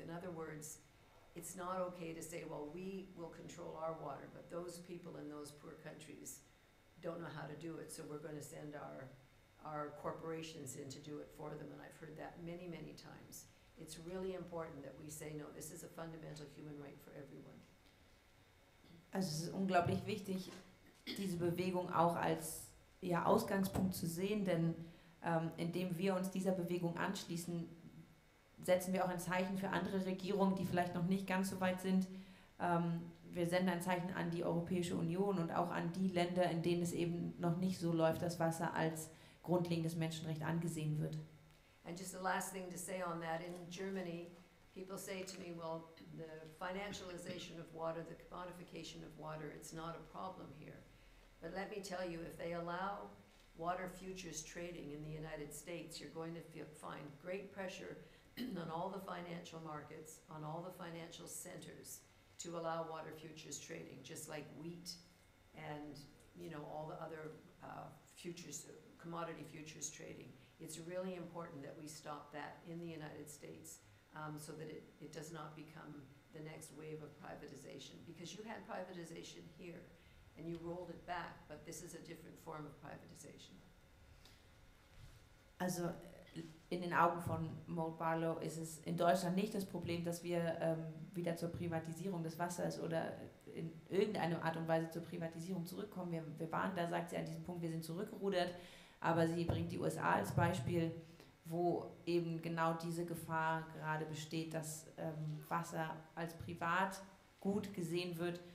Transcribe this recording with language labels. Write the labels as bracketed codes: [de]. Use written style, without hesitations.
[en] In other words, it's not okay to say, well, we will control our water, but those people in those poor countries don't know how to do it, so we're going to send our corporations in to do it for them. And I've heard that many, many times. It's really important that we say, no, this is a fundamental human right for everyone. [de] Also es ist unglaublich wichtig, diese Bewegung auch als ja, Ausgangspunkt zu sehen, denn indem wir uns dieser Bewegung anschließen, setzen wir auch ein Zeichen für andere Regierungen, die vielleicht noch nicht ganz so weit sind. Wir senden ein Zeichen an die Europäische Union und auch an die Länder, in denen es eben noch nicht so läuft, dass Wasser als grundlegendes Menschenrecht angesehen wird. [en] And just the last thing to say on that, in Germany, people say to me, well, the financialization of water, the commodification of water, it's not a problem here. But let me tell you, if they allow water futures trading in the United States, you're going to find great pressure on all the financial markets, on all the financial centers, to allow water futures trading, just like wheat and, you know, all the other futures, commodity futures trading. It's really important that we stop that in the United States so that it does not become the next wave of privatization. Because you had privatization here and you rolled it back, but this is a different form of privatization. [de] Also in den Augen von Mort Barlow ist es in Deutschland nicht das Problem, dass wir wieder zur Privatisierung des Wassers oder in irgendeiner Art und Weise zur Privatisierung zurückkommen. Wir waren da, sagt sie an diesem Punkt, wir sind zurückgerudert. Aber sie bringt die USA als Beispiel, wo eben genau diese Gefahr gerade besteht, dass Wasser als Privatgut gesehen wird.